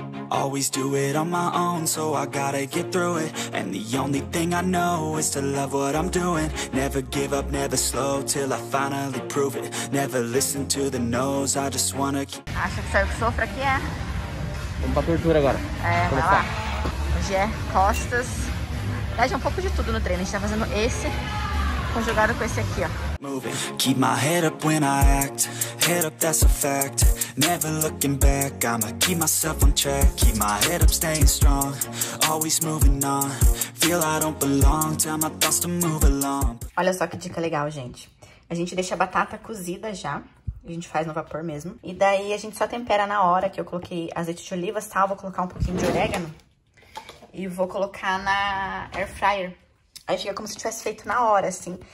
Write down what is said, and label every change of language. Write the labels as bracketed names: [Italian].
[English] Always do it on my own, so I gotta get through it. And the only thing I know is to love what I'm doing. Never give up, never slow, till I finally prove it. Never listen to the no's, I just wanna keep... [Portuguese] Acha que saiu que sofre aqui, é? Vamos pra abertura agora. É, vai lá. Hoje é costas. Dá já um pouco de tudo no treino. A gente tá fazendo esse conjugado com esse aqui, ó. [English] Moving. Keep my head up when I act. Head up, that's a fact. Never looking back. I'ma keep myself on track. Keep my head up, staying strong. Always moving on. Feel I don't belong. Tell my thoughts to move along. [Portuguese] Olha só que dica legal, gente. A gente deixa a batata cozida já. A gente faz no vapor mesmo. E daí a gente só tempera na hora, que eu coloquei azeite de oliva, sal, vou colocar um pouquinho de orégano. E vou colocar na air fryer. Aí fica como se tivesse feito na hora, assim.